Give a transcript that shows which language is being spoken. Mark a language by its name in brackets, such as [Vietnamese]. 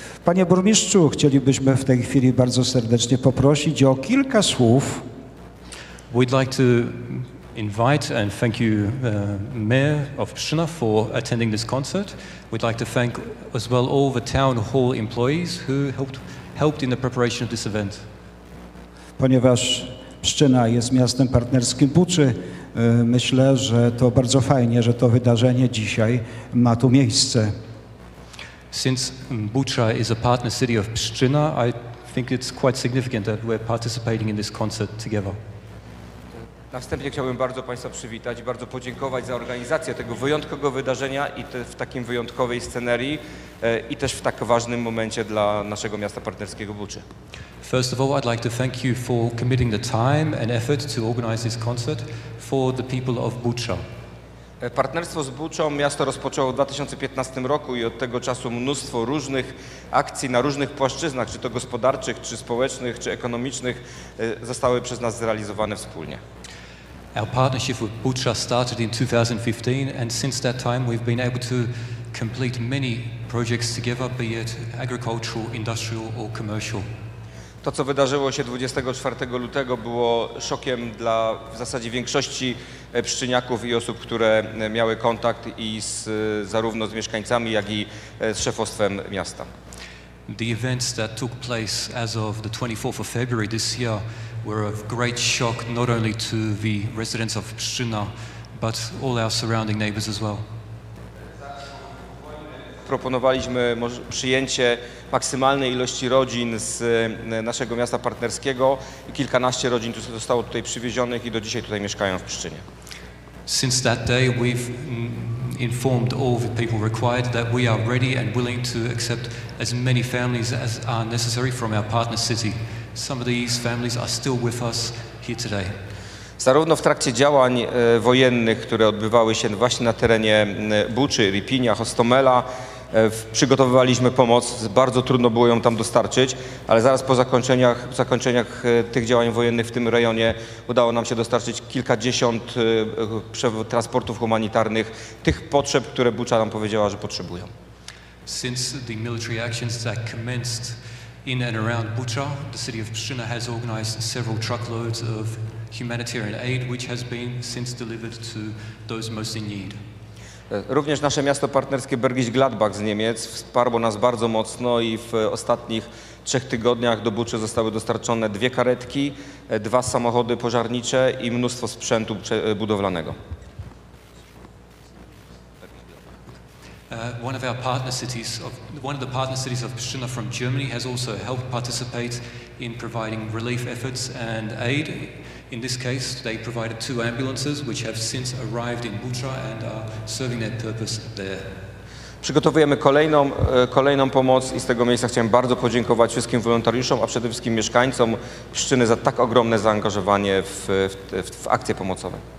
[Polish] Panie burmistrzu, chcielibyśmy w tej chwili bardzo serdecznie poprosić o kilka słów. [English] We'd like to invite and thank you, Mayor of Pszczyna, for attending this concert. We'd like to thank as well all the town hall employees who helped in the preparation of this event. [Polish] Ponieważ Pszczyna jest miastem partnerskim Buczy, Myślę, że to bardzo fajnie, że to wydarzenie dzisiaj ma tu miejsce. [English] Since Bucha is a partner city of Pszczyna, I think it's quite significant that we're participating in this concert together. [Polish] Następnie chciałbym bardzo Państwa przywitać i bardzo podziękować za organizację tego wyjątkowego wydarzenia i w takim wyjątkowej scenerii i też w tak ważnym momencie dla naszego miasta partnerskiego Buczy. [English] First of all, I'd like to thank you for committing the time and effort to organize this concert for the people of Bucha. [Polish] Partnerstwo z Buczą miasto rozpoczęło w 2015 roku i od tego czasu mnóstwo różnych akcji na różnych płaszczyznach, czy to gospodarczych, czy społecznych, czy ekonomicznych, zostały przez nas zrealizowane wspólnie. [English] Our partnership with Bucha started in 2015 and since that time we've been able to complete many projects together, be it agricultural, industrial or commercial. [Polish] To, co wydarzyło się 24 lutego, było szokiem dla w zasadzie większości pszczyniaków i osób, które miały kontakt i z, zarówno z mieszkańcami, jak i z szefostwem miasta. [English] The events that took place as of the 24th of February this year were a great shock not only to the residents of Pszczyna, but all our surrounding neighbors as well. [Polish] Proponowaliśmy przyjęcie maksymalnej ilości rodzin z naszego miasta partnerskiego i kilkanaście rodzin tu zostało tutaj przywiezionych i do dzisiaj tutaj mieszkają w Pszczynie. [English] Since that day we've informed all the people required that we are ready and willing to accept as many families as are necessary from our partner city. Some of these families are still with us here today. [Polish] Zarówno w trakcie działań wojennych, które odbywały się właśnie na terenie Buczy, Rypinia, Hostomela, przygotowywaliśmy pomoc, bardzo trudno było ją tam dostarczyć, ale zaraz po zakończeniach tych działań wojennych w tym rejonie udało nam się dostarczyć kilkadziesiąt transportów humanitarnych, tych potrzeb, które Bucza nam powiedziała, że potrzebują. [English] Since the military actions that commenced in and around Bucha, the city of Pszczyna has organized several truckloads of humanitarian aid, which has been since delivered to those most in need. [Polish] Również nasze miasto partnerskie Bergisch Gladbach z Niemiec wsparło nas bardzo mocno i w ostatnich trzech tygodniach do Buczy zostały dostarczone dwie karetki, dwa samochody pożarnicze i mnóstwo sprzętu budowlanego. [English] One of our partner cities, one of the partner cities of Pszczyna from Germany has also helped participate in providing relief efforts and aid. In this case, they provided two ambulances, which have since arrived in Bucha and are serving their purpose there. [Polish] Przygotowujemy kolejną pomoc i z tego miejsca chciałem bardzo podziękować wszystkim wolontariuszom, a przede wszystkim mieszkańcom Pszczyny za tak ogromne zaangażowanie w akcje pomocowe.